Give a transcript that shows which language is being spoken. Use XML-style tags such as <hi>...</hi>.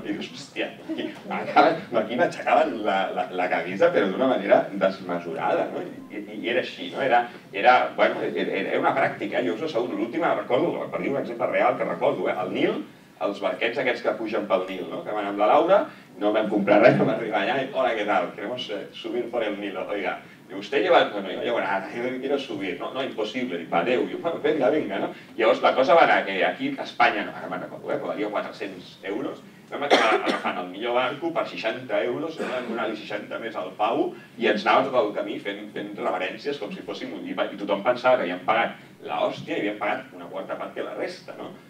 <ca>I dius, hòstia, aquí m'aixecaven la camisa, però d'una manera desmesurada, no? I era així, no? Era una pràctica, jo us ho asseguro, l'última, recordo, per dir un exemple real que recordo, el Nil, els barquets aquests que pugen pel Nil, no? Que van amb la Laura, no vam comprar res, vam arribar allà i, hola, què tal?</ca> <es>Queremos subir por el Nil, oiga.</es> <ca>Diu, vostè</ca> <es>lleva... Bueno, jo llevo nada, yo quiero subir. No, no, imposible.</es> <ca>Diu, va, adéu. Diu,</ca> <es>bueno, venga, venga,</es> <ca>no? Llavors la cosa va anar que aquí a Espanya, no, ara me'n recordo, però valia 400 euros, vam acabar agafant el millor barco per 60 euros, vam donar-li 60 més al Pau i ens anava tot el camí fent reverències com si fóssim un llibre. I tothom pensava que havíem pagat l'hòstia i havíem pagat una quarta part que la resta, no?</ca>